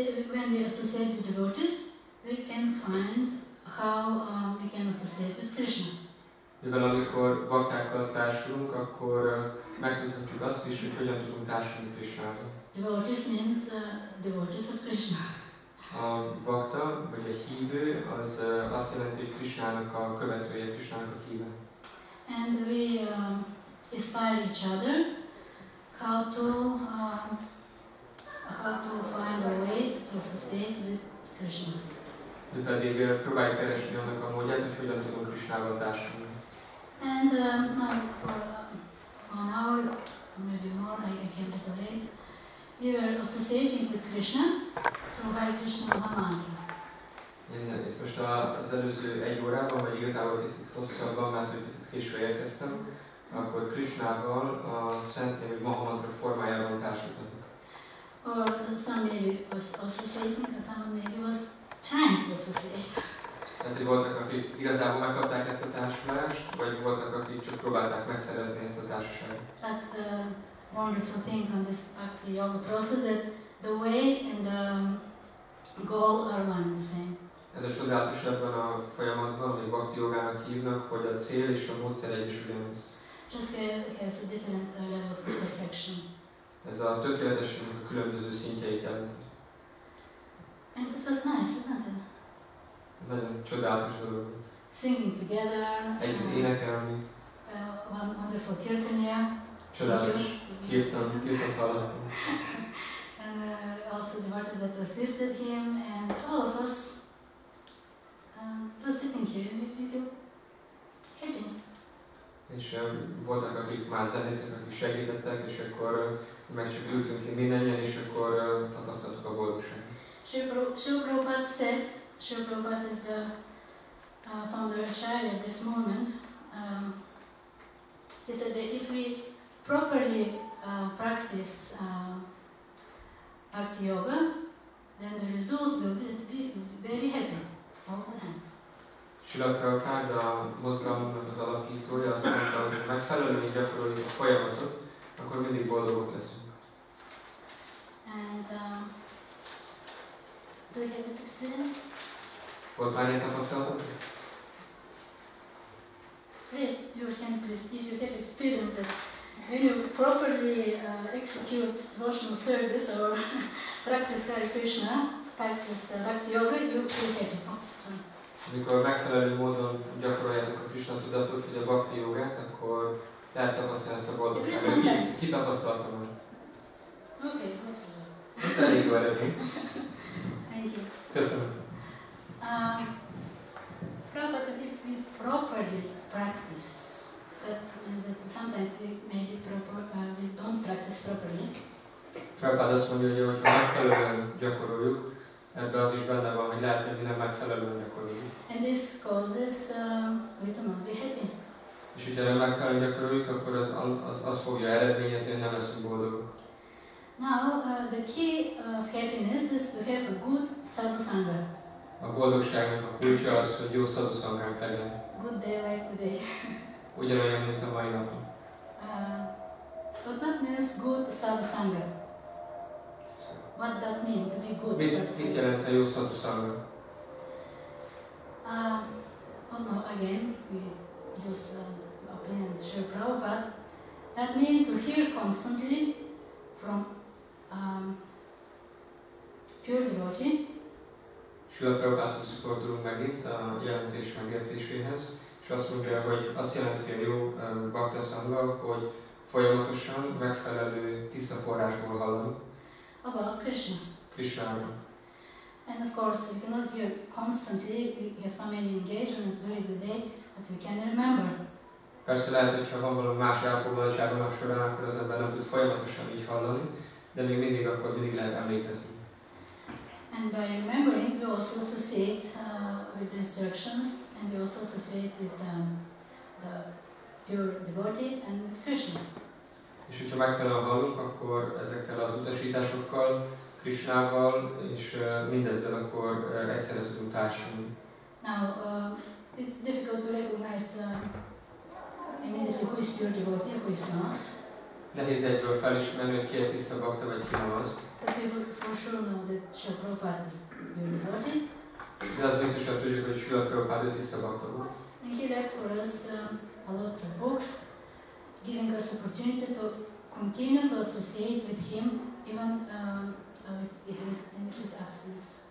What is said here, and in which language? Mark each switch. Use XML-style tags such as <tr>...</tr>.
<en>When we associate with devotees, we can find how we can associate with Krishna.</en> <hu>Mivel amikor baktákkal társulunk, akkor megtudhatjuk azt is, hogy hogyan tudunk társulni Krishnára.</hu> <en>Devotees means devotees of Krishna.</en> <hu>A bakta, vagy a hívő, az azt jelenti, hogy Krishnának a követője, Krishnának a híve.</hu> <en>And we inspire each other. How to find a way to associate with Krishna.</en> <hu>Mi pedig próbáljuk keresni annak a módját, hogy hogyan tudunk Krishnával társulni.</hu> <en>And now for one hour, maybe more, I came a little late. We were associating with Krishna through Hare Krishna Mahamantra.</en> <hu>Itt most az előző egy órában, vagy igazából picit hosszabban, mert egy picit késő érkeztem, akkor Krishnával a szent nevű Mahamantra formájában társultatok.</hu> <en>Or some maybe was associating, someone maybe was trying to associate.</en> <hu>Tehát, hogy voltak, akik igazából megkapták ezt a társulást, vagy voltak, akik csak próbálták megszerezni ezt a társaságot.</hu> <en>That's the wonderful thing on this bhakti yoga process, that the way and the goal are one and the same.</en> <hu>Ez a csodálatos ebben a folyamatban, amit bhakti yogának hívnak, hogy a cél és a módszer egy is ugyanaz.</hu> <en>Just has a different levels of perfection.</en> <hu>Ez a tökéletesség a különböző szintjeit jelenti.</hu> <en>And it was nice, isn't it?</en> <hu>Nagyon csodálatos dolog volt.</hu> <en>Singing together.</en> <hu>Együtt énekelni.</hu> <en>One wonderful kirtanya.</en> <hu>Csodálatos. Kirtan hallhatom.</hu> <en>And also the devotees that assisted him and all of us. Just sitting here, we feel happy.</en> <hu>És voltak, akik már zenészek, akik segítettek, és akkor meg csak ültünk ki mindennyien, és akkor tapasztaltuk a boldogságot.</hu> <en>Srila Prabhupada said, Srila Prabhupada is the founder of Acharya at this moment. He said that if we properly practice Bhakti Yoga, then the result will be very happy all the time.</en> <hu>Srila Prabhupada mozgalomnak az alapítója azt mondta, hogy megfelelően gyakoroljuk a folyamatot, akkor mindig boldogok leszünk.</hu> <en>And do you have this experience?</en> <hu>Volt már egy tapasztalatok?</hu> <en>Raise your hand, please, if you have experience that when you properly execute devotional service or practice Hare Krishna, practice Bhakti Yoga, you will have it.</en> <hu>Amikor megfelelő módon gyakoroljátok a Krishna tudatot, vagy a Bhakti jogát, akkor lehet tapasztalni ezt a boldogságot. Kitapasztaltam már. Oké, okay, elég jó eredmény.</hu> <en>Thank you.</en> <hu>Köszönöm.</hu> <en>Prabhupada, if we properly practice, that means that sometimes we maybe we don't practice properly.</en> <hu>Prabhupada azt mondja, hogy ha megfelelően gyakoroljuk, ebben az is benne van, hogy lehet, hogy nem megfelelően gyakoroljuk.</hu> <en>And this causes we to not be happy.</en> <hu>És hogyha nem megfelelően gyakoroljuk, akkor az fogja eredményezni, hogy nem leszünk boldogok.</hu> <en>Now, the key of happiness is to have a good sadhusanga.</en> <hu>A boldogságnak a kulcsa az, hogy jó sadhusangánk legyen.</hu> <en>Good day like today.</en> <hu>Ugyanolyan, mint a mai napon.</hu> <en>What that means good sadhusanga? What that mean to be good?</en> <hu>Mit jelent a jó sadhusanga?</hu> <en>Oh no, again, we use opinion of Srila Prabhupada. That means to hear constantly from pure devotee.</en> <hu>Srila Prabhupada fordulunk megint a jelentés megértéséhez, és azt mondja, hogy azt jelenti a jó bhakta sangha, hogy folyamatosan megfelelő tiszta forrásból hallani.</hu> <en>About Krishna.</en> <hu>Krishna.</hu> <en>And of course, we cannot hear constantly. We have so many engagements during the day, but we can remember.</en> <hu>Persze lehet, hogy ha van valami más elfoglaltsága a nap során, akkor az ember nem tud folyamatosan így hallani, de még mindig akkor mindig lehet emlékezni.</hu> <en>And by remembering, we also associate with the instructions, and we also associate with the pure devotee and with Krishna.</en> <hu>És hogyha megfelelően hallunk, akkor ezekkel az utasításokkal, Krishnával és mindezzel akkor egyszerre tudunk társulni.</hu> <en>Now, it's difficult to recognize immediately who is pure devotee, who is not.</en> <hu>Nehéz egyből felismerni, hogy ki a tiszta bhakta, vagy ki nem az.</hu> <en>But we for sure know that Srila Prabhupada is pure devotee.</en> <hu>De az biztos, hogy tudjuk, hogy Srila Prabhupada tiszta bhakta volt.</hu> <en>And he left for us a lot of books, giving us opportunity to continue to associate with him even with his absence.</en>